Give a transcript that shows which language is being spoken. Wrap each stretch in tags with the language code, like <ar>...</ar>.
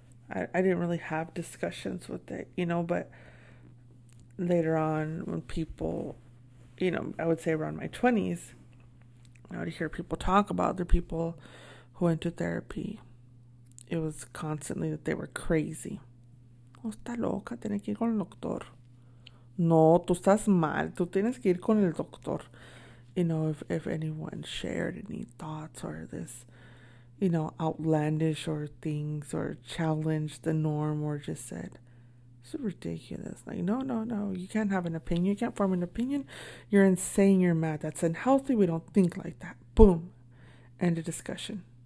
<en>I didn't really have discussions with it, you know, but later on when people, you know, I would say around my 20s, I would hear people talk about other people who went to therapy. It was constantly that they were crazy.</en> <es>¿Está loca? Tiene que ir con el doctor. No, tú estás mal. Tú tienes que ir con el doctor.</es> <en>You know, if anyone shared any thoughts or this, you know, outlandish or things or challenged the norm or just said, this is ridiculous. Like, no, you can't have an opinion. You can't form an opinion. You're insane. You're mad. That's unhealthy. We don't think like that. Boom. End of discussion.</en>